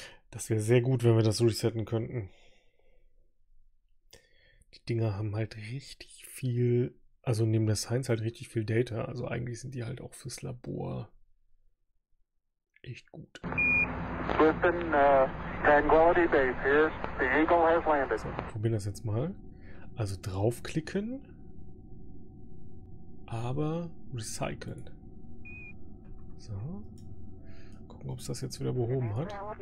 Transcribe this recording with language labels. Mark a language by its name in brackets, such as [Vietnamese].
[German] Das wäre sehr gut, wenn wir das resetten könnten. Die Dinger haben halt richtig viel, also neben der Science halt richtig viel Data. Also eigentlich sind die halt auch fürs Labor echt gut. [English] Listen, Tranquility Base here. The Eagle has landed. [German] So, probieren das jetzt mal. Also draufklicken, aber recyceln. So. Gucken, ob es das jetzt wieder behoben hat.